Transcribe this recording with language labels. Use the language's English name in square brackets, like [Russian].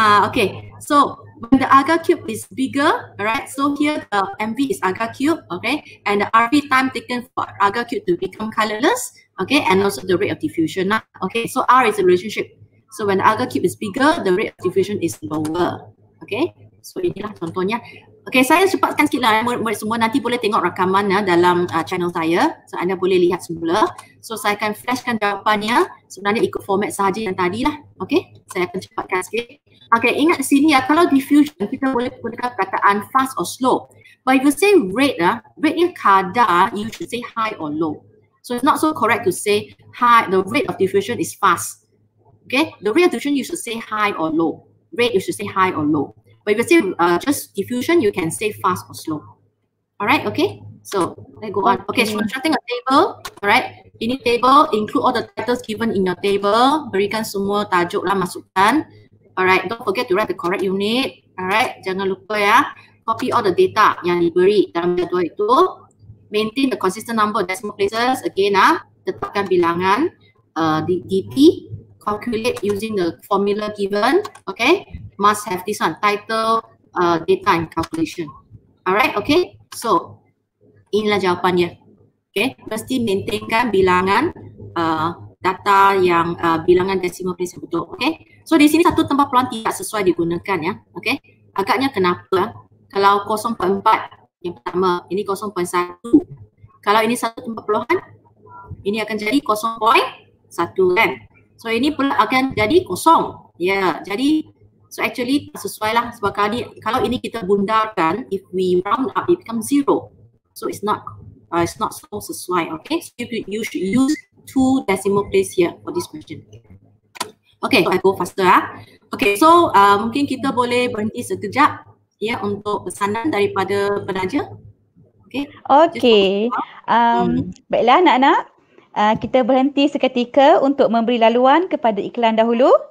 [English] Okay, so when the agar cube is bigger, right? So here the MV is agar cube, okay? And the RP time taken for agar cube to become colorless, okay? And also the rate of diffusion. Okay, so R is the relationship. So when the agar cube is bigger, the rate of diffusion is lower. [Malay] Okay, so inilah contohnya. Okay, saya cepatkan sikit lah murid-murid semua. Nanti boleh tengok rakaman ya, dalam channel saya. So anda boleh lihat semula. So saya akan flashkan jawapannya. Sebenarnya ikut format sahaja yang tadi lah. Okay, saya akan cepatkan sikit. Okay, ingat di sini ya, kalau diffusion kita boleh gunakan perkataan [English] fast or slow. But if you say rate lah, rate [Malay] ni kadar, [English] you should say high or low. So it's not so correct to say high, the rate of diffusion is fast. Okay, the rate of diffusion you should say high or low. Rate you should say high or low. But if you say just diffusion, you can say fast or slow. Alright, okay? So, let's go on. Okay, so starting a table. Alright, ini table, include all the titles given in your table. [Malay] Berikan semua tajuk lah masukkan. [English] Alright, don't forget to write the correct unit. [Malay] Alright, jangan lupa ya. [English] Copy all the data [Malay] yang diberi dalam jadual itu. [English] Maintain the consistent number of decimal places. Again lah, [Malay] tetapkan bilangan DP. [English] Calculate using the formula given. Okay, must have this one, title, data and calculation. [Malay] Alright, okay. So, inilah jawapannya. Okay, mesti maintainkan bilangan data yang bilangan decimal place yang betul. Okay, so di sini satu tempat pelan tidak sesuai digunakan ya. Okay, agaknya kenapa? Kalau 0.4 yang pertama, ini 0.1. Kalau ini satu tempat puluhan, ini akan jadi 0.1 kan. So, ini pula akan jadi kosong. Ya, yeah. Jadi, so actually sesuai lah sebab kali, kalau ini kita bundarkan, [English] if we round up, it becomes zero. So, it's not so sesuai, okay? So, you should use two decimal place here for this question. Okay, so I go faster lah. [Malay] Okay, so mungkin kita boleh berhenti sekejap, ya, yeah, untuk pesanan daripada penaja. Okay. Okay. Baiklah, anak-anak. Kita berhenti seketika untuk memberi laluan kepada iklan dahulu.